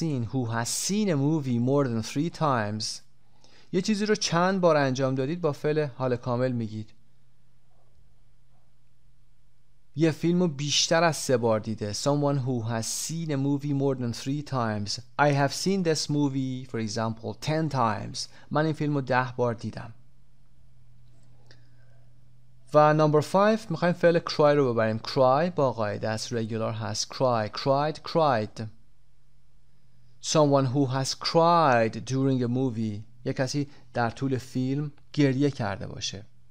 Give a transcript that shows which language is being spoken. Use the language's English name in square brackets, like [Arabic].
[English] Who has seen a movie more than 3 times. [Persian] یه چیزی رو چند بار انجام دادید با فعل حال کامل میگید. یه فیلم رو بیشتر از 3 بار دیده. [English] Someone who has seen a movie more than 3 times. I have seen this movie, for example, 10 times. [Persian] من این فیلم رو 10 بار دیدم. و نمبر 5 میخواییم فعل cry رو ببریم. [English] Cry [Persian] با قاعده است. [English] Regular هست. Cry. Cried. Cried. Someone who has cried during a movie. [Persian] یک کسی در طول فیلم گریه کرده باشه.